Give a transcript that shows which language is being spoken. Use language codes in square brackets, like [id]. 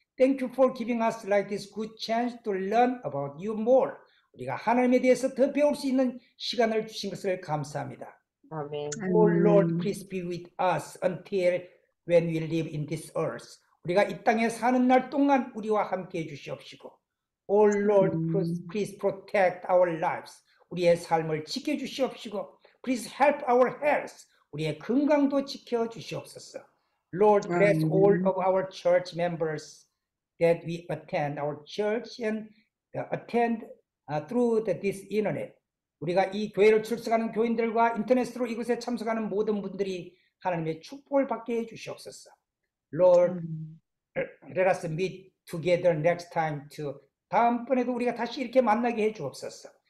[en] Thank you for giving us like this good chance to learn about you more. [ko] 우리가 하나님에 대해서 더 배울 수 있는 시간을 주신 것을 감사합니다. [en] Amen. Oh Lord, please be with us until when we live in this earth. [ko] 우리가 이 땅에 사는 날 동안 우리와 함께 해주시옵시고. [en] Oh Lord, please protect our lives. [ko] 우리의 삶을 지켜주시옵시고. [en] Please help our health. [ko] 우리의 건강도 지켜주시옵소서. [en] Lord, bless all of our church members that we attend our church and attend through this internet. [ko] 우리가 이 교회를 출석하는 교인들과 인터넷으로 이곳에 참석하는 모든 분들이 하나님의 축복을 받게 해주시옵소서. [en] Lord, let us meet together next time too. [ko] 다음번에도 우리가 다시 이렇게 만나게 해주옵소서.